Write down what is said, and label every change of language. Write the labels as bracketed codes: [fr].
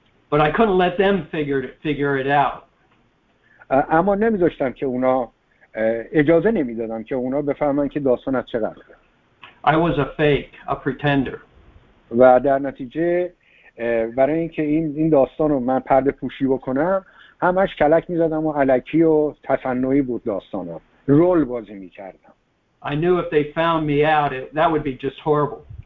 [en] But I couldn't let them figure it out. [fa] اما نمیذاشتم که اونا، اجازه نمیدادم که اونا بفهمن که داستان از چه قراره. [en] I was a fake, a pretender. [fa] و در نتیجه برای اینکه این داستان رو من پرده پوشی بکنم همش کلک می‌زدم و علکی و تصنعی بود داستان رو رول بازی می‌کردم. [en] I knew if they found me out that would be just horrible.